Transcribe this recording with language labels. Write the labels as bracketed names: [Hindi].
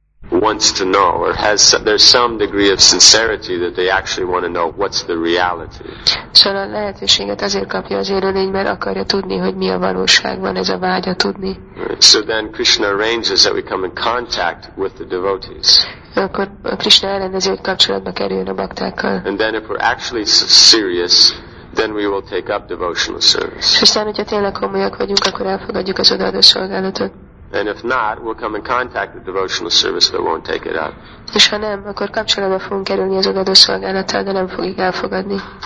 [English] wants to know or has some, there's some degree of sincerity that they actually want to know what's the reality. [Hungarian] So a lehetőséget azért kapja az élőlény, mert akarja tudni, hogy mi a valóság, van ez a vágya tudni. [English] So then Krishna arranges that we come in contact with the devotees. [Hungarian] Akkor a Krishna elrendezi, hogy kapcsolatba kerüljön a baktákkal. [English] And then if we're actually serious, then we will take up devotional service. [Hungarian] És aztán, hogyha tényleg komolyak vagyunk, akkor elfogadjuk az odaadó szolgálatot. [English] And if not, we'll come in contact with devotional service but won't take it up. [Hungarian] És ha nem, akkor kapcsolatba fogunk kerülni az odaadó szolgálattal, de nem fogjuk elfogadni.